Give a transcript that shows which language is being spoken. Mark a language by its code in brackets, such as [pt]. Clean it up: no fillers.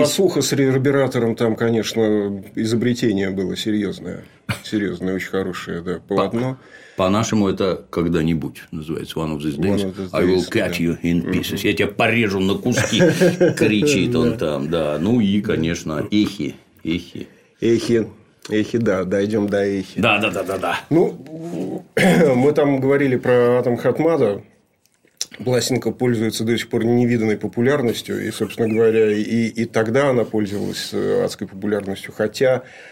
[ru] басуха с ревербератором там, конечно, изобретение было серьезное. Серьезное, очень хорошее, да, полотно. По-нашему это когда-нибудь называется «One of these days», [en] I will cut you in pieces. [ru] Я тебя порежу на куски, кричит он там. Да. Ну и, конечно, эхи. Эхи. Эхи. Эхи, да. Дойдем до эхи. Да. Ну, мы там говорили про Атом Хатмада. Пластинка пользуется до сих пор невиданной популярностью. И, собственно говоря, и тогда она пользовалась адской популярностью. Хотя...